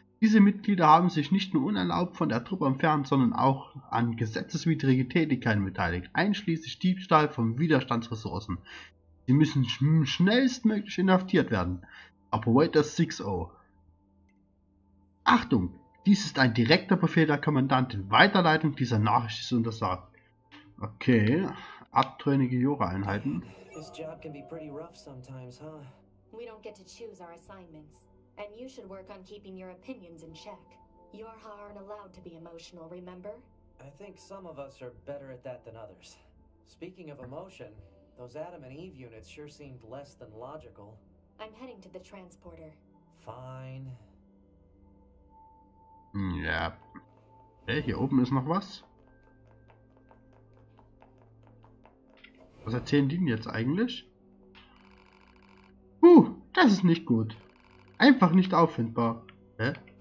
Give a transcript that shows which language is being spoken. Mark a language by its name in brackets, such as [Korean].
[German] Diese Mitglieder haben sich nicht nur unerlaubt von der Truppe entfernt, sondern auch an gesetzeswidrige Tätigkeiten beteiligt, einschließlich Diebstahl von Widerstandsressourcen. Sie müssen schnellstmöglich inhaftiert werden. Operator 6-0. Achtung! Dies ist ein direkter Befehl der Kommandantin. Weiterleitung dieser Nachricht ist untersagt. Okay, abtrünnige Jura-Einheiten. [English] This job can be pretty rough sometimes, huh? We don't get to choose our assignments. And you should work on keeping your opinions in check. Jorha aren't allowed to be emotional, remember? I think some of us are better at that than others. Speaking of emotion, those Adam and Eve units sure seemed less than logical. I'm heading to the transporter. Fine. [German] Ja. Hey, hier oben ist noch was. Was erzählen die denn jetzt eigentlich? Das ist nicht gut. Einfach nicht auffindbar. Hä?